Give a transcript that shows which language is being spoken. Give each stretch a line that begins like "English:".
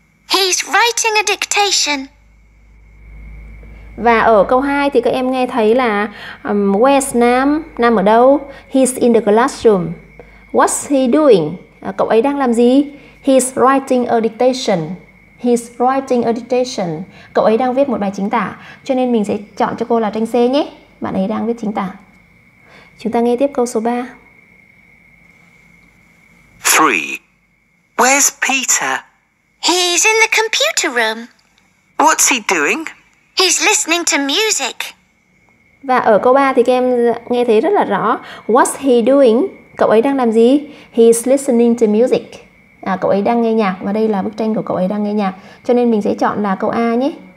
English: He's writing a dictation.
Vietnamese: Và ở câu 2 thì các em nghe thấy là
English: where's Nam?
Vietnamese: Nam ở đâu?
English: He's in the classroom. What's he doing?
Vietnamese: Cậu ấy đang làm gì?
English: He's writing a dictation. He's writing a dictation.
Vietnamese: Cậu ấy đang viết một bài chính tả. Cho nên mình sẽ chọn cho cô là tranh C nhé. Bạn ấy đang viết chính tả. Chúng ta nghe tiếp câu số 3.
English: 3. Where's Peter? He's in the computer room. What's he doing? He's listening to music.
Vietnamese: Và ở câu 3 thì các em nghe thấy rất là rõ.
English: What's he doing?
Vietnamese: Cậu ấy đang làm gì?
English: He's listening to music.
Vietnamese: À, cậu ấy đang nghe nhạc. Và đây là bức tranh của cậu ấy đang nghe nhạc. Cho nên mình sẽ chọn là câu A nhé.